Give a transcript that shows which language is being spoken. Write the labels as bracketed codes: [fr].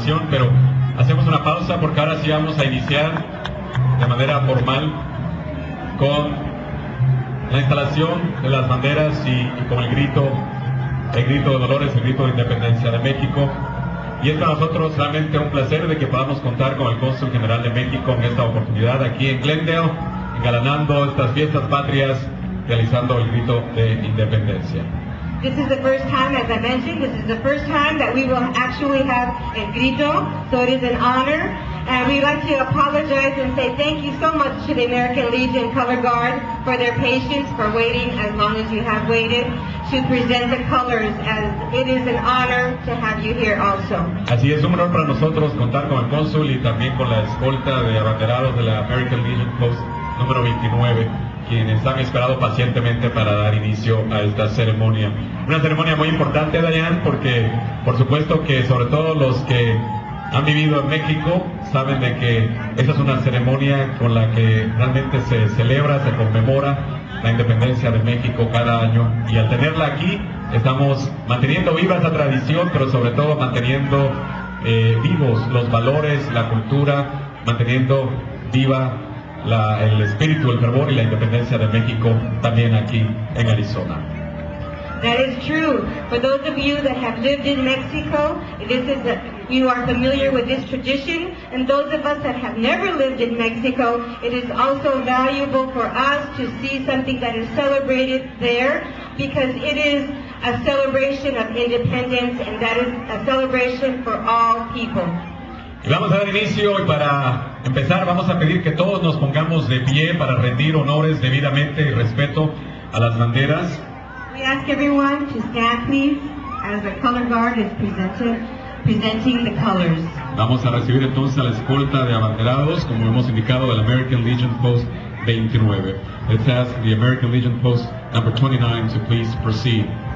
[es] Pero hacemos una pausa porque ahora sí vamos a iniciar de manera formal con la instalación de las banderas y con el grito de Dolores, el grito de independencia de México. Y es para nosotros realmente un placer de que podamos contar con el Cónsul General de México en esta oportunidad aquí en Glendale, engalanando estas fiestas patrias, realizando el grito de independencia. [en] This is the first time, as I mentioned, this is the first time that we will actually have el grito, so it is an honor. And we'd like to apologize and say thank you so much to the American Legion Color Guard for their patience, for waiting as long as you have waited to present the colors, as it is an honor to have you here also. [es] Así es, un honor para nosotros contar con el cónsul y también con la escolta de abanderados de la American Legion Post número 29. Quienes han esperado pacientemente para dar inicio a esta ceremonia. Una ceremonia muy importante, Dayan, porque por supuesto que sobre todo los que han vivido en México saben de que esa es una ceremonia con la que realmente se celebra, se conmemora la independencia de México cada año. Y al tenerla aquí, estamos manteniendo viva esa tradición, pero sobre todo manteniendo vivos los valores, la cultura, manteniendo viva el espíritu, el fervor y la independencia de México también aquí en Arizona. [en] That is true. For those of you that have lived in Mexico, this is you are familiar with this tradition. And those of us that have never lived in Mexico, it is also valuable for us to see something that is celebrated there, because it is a celebration of independence, and that is a celebration for all people. [es] Y vamos a dar inicio, y para empezar vamos a pedir que todos nos pongamos de pie para rendir honores debidamente y respeto a las banderas. [en] We ask everyone to stand, please, as the color guard is presenting the colors. [es] Vamos a recibir entonces a la escolta de abanderados, como hemos indicado, de la American Legion Post 29. [en] Let's ask the American Legion Post number 29 to please proceed.